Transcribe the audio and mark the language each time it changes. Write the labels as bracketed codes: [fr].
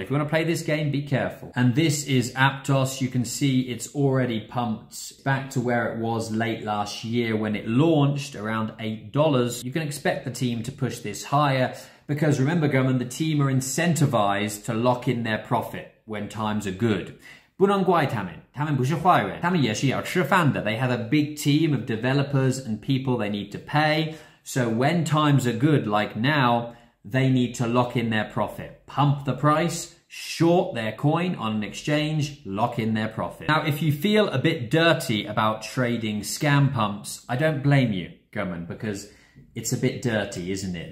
[en] If you want to play this game, be careful. And this is Aptos. You can see it's already pumped back to where it was late last year when it launched, around $8. You can expect the team to push this higher because, remember, Gumman, the team are incentivized to lock in their profit when times are good. [zh] 不能怪他们，他们不是坏人，他们也是要吃饭的。 [en] They have a big team of developers and people they need to pay. So when times are good, like now, they need to lock in their profit. Pump the price, short their coin on an exchange, lock in their profit. Now, if you feel a bit dirty about trading scam pumps, I don't blame you, Gumman, because it's a bit dirty, isn't it?